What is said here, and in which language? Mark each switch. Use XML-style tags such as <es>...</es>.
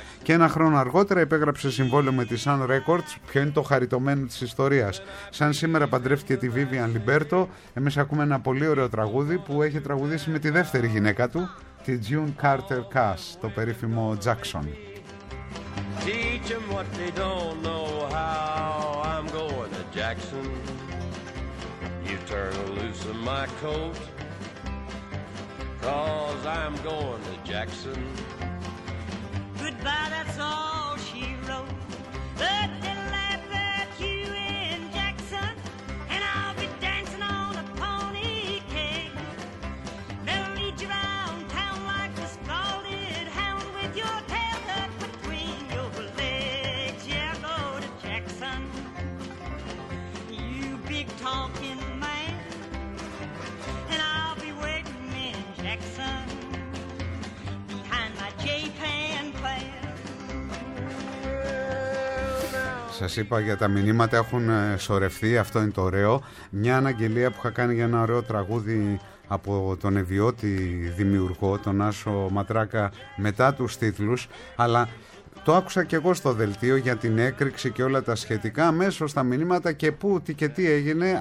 <el>Και ένα χρόνο αργότερα υπέγραψε συμβόλαιο με τη Sun Records. Ποιο είναι το χαριτωμένο της ιστορίας? Σαν σήμερα παντρεύτηκε τη Vivian Liberto. Εμείς ακούμε ένα πολύ ωραίο τραγούδι που έχει τραγουδήσει με τη δεύτερη γυναίκα του, τη June Carter Cass, το περίφημο Jackson.</el> <en>Teach 'em what they don't know how I'm going to Jackson. You turn loose of my coat, 'cause I'm going to Jackson. Goodbye, that's all she wrote. But they laugh at you in Jackson, and I'll be dancing on a pony keg. They'll lead you round town like a scalded hound with your tail tucked between your legs. Yeah, go to Jackson, you big talking man, and I'll be waiting in Jackson behind my J-Pan plan.</en> <el>Σας είπα για τα μηνύματα, έχουν σωρευτεί, αυτό είναι το ωραίο. Μια αναγγελία που είχα κάνει για ένα ωραίο τραγούδι από τον Ευιώτη δημιουργό, τον Άσο Ματράκα, μετά τους τίτλους, αλλά Το άκουσα και εγώ στο δελτίο για την έκρηξη και όλα τα σχετικά, αμέσως τα μηνύματα και πού, τι και τι έγινε.</el>